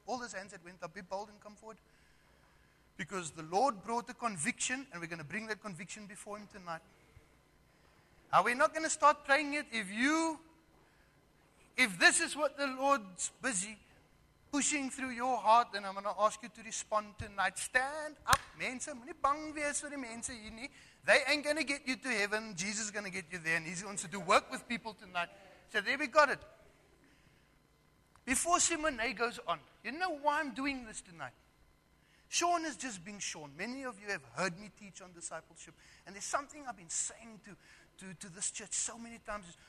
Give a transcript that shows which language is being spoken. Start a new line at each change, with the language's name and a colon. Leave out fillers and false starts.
English: All those hands that went up, be bold and come forward. Because the Lord brought the conviction, and we're going to bring that conviction before Him tonight. Are we not going to start praying it? If this is what the Lord's busy pushing through your heart, then I'm going to ask you to respond tonight. Stand up, mense.
Afrikaans: Moenie bang wees vir die mense hier nie.
English: They ain't going to get you to heaven. Jesus is going to get you there, and He's going to do work with people tonight. So there we got it. Before Simone goes on, you know why I'm doing this tonight? Sean is just being Sean. Many of you have heard me teach on discipleship, and there's something I've been saying to this church so many times.